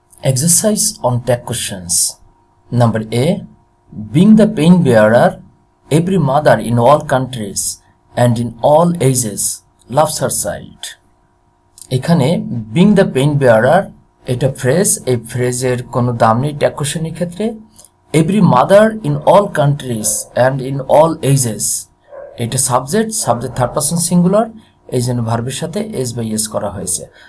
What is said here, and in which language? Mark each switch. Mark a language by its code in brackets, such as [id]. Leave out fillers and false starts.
[en] Exercise on tag questions. Number A. Being the pain bearer, every mother in all countries and in all ages loves her child. [bn] এখানে [en] being the pain bearer [bn] এটা phrase, এই phrase-এর কোনো দাম নেই tag question-এর ক্ষেত্রে. [en] Every mother in all countries and in all ages. [bn] এটা subject, subject third person singular, এই জন্য verb-এর সাথে s by s করা হয়েছে.